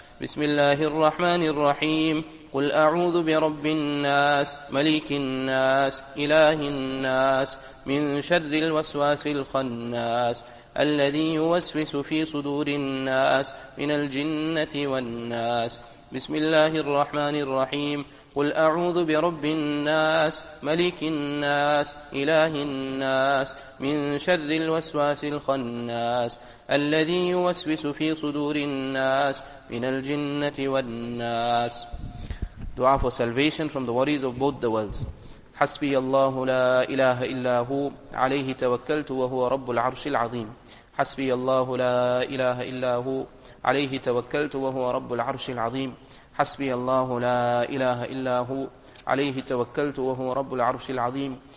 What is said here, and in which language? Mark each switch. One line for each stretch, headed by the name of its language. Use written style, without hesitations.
Arabic: بسم الله الرحمن الرحيم قل أعوذ برب الناس ملك الناس إله الناس من شر الوسواس الخناس الذي يوسوس في صدور الناس من الجنة والناس. بسم الله الرحمن الرحيم قل أعوذ برب الناس ملك الناس إله الناس من شر الوسواس الخناس الذي يوسوس في صدور الناس من الجنة والناس.
English: دعاء for salvation from the worries of both the worlds.
Arabic: حسبي الله لا إله إلا هو عليه توكلت وهو رب العرش العظيم. حسبي الله لا إله إلا هو عليه توكلت وهو رب العرش العظيم. حسبي الله لا إله إلا هو عليه توكلت وهو رب العرش العظيم.